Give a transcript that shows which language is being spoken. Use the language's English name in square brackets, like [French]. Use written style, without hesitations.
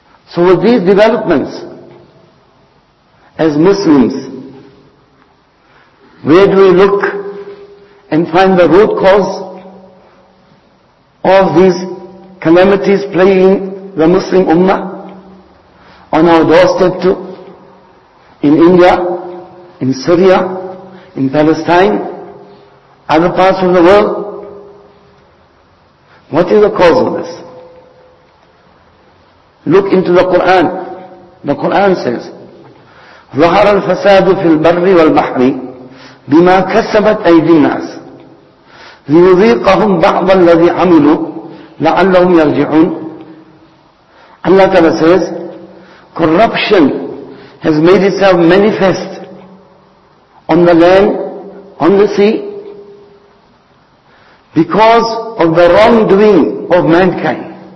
[English] So with these developments, as Muslims, where do we look and find the root cause of these calamities plaguing the Muslim Ummah on our doorstep too? In India, in Syria, in Palestine, other parts of the world. What is the cause of this? Look into the Quran. The Quran says, [Arabic] ظَهَرَ الْفَسَادُ فِي الْبَرِّ وَالْبَحْرِ بِمَا كَسَبَتْ أَيْدِي النَّاسِ لِيُذِيقَهُمْ بَعْضَ الَّذِي عَمِلُوا لَعَلَّهُمْ يَرْجِعُونَ. [English] Allah Ta'ala says, corruption has made itself manifest on the land, on the sea, because of the wrongdoing of mankind.